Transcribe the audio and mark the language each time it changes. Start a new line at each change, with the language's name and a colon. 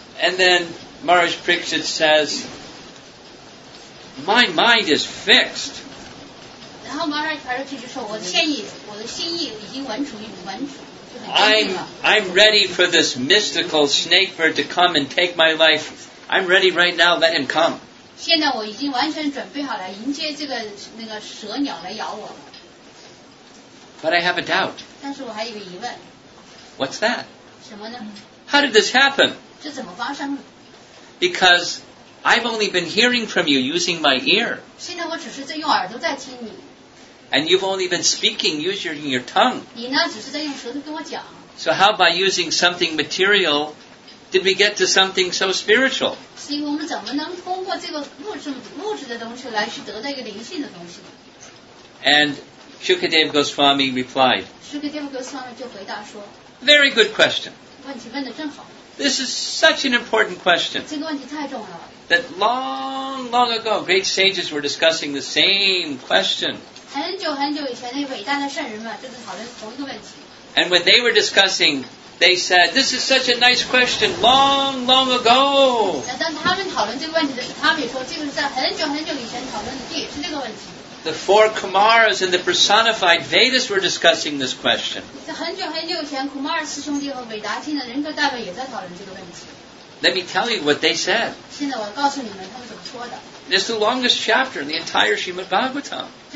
English: And then Maharaj Parikshit says, my mind is fixed.
Chinese: 然后 Maharaj Parikshit 就说我的心意我的心意已经稳住
English: I'm ready for this mystical snake bird to come and take my life. I'm ready right now, let him come.
Chinese: 现在我已经完全准备好了迎接这个那个蛇鸟来咬我了。
English: But I have a doubt.
Chinese: 但是我还有个疑问。
English: What's that?
Chinese: 什么呢?
English: How did this happen?
Chinese: 这怎么发生的?
English: Because I've only been hearing from you using my ear.
Chinese: 现在我只是在用耳朵在听你。
English: And you've only been speaking using your tongue.
Chinese: 你呢只是在用舌头跟我讲。
English: So how by using something material, did we get to something so spiritual?
Chinese: 所以我们怎么能通过这个物质的东西来去得到一个灵性的东西呢?
English: And Shukadeva Goswami replied.
Chinese: Shukadeva Goswami 就回答说。
English: Very good question.
Chinese: 问题问得正好。
English: This is such an important question.
Chinese: 这个问题太重要了。
English: That long, long ago, great sages were discussing the same question.
Chinese: 很久很久以前那伟大的圣人们就是讨论同一个问题。
English: And when they were discussing, they said, this is such a nice question, long, long ago.
Chinese: 当他们讨论这个问题的时候他们也说这个是在很久很久以前讨论的这也是这个问题。
English: The four Kumaras and the personified Vedas were discussing this question.
Chinese: 在很久很久以前 Kumara 师兄弟和伟达听的人格代表也在讨论这个问题。
English: Let me tell you what they said.
Chinese: 现在我告诉你们他们怎么说的。
English: It's the longest chapter in the entire Srimad Bhagavatam.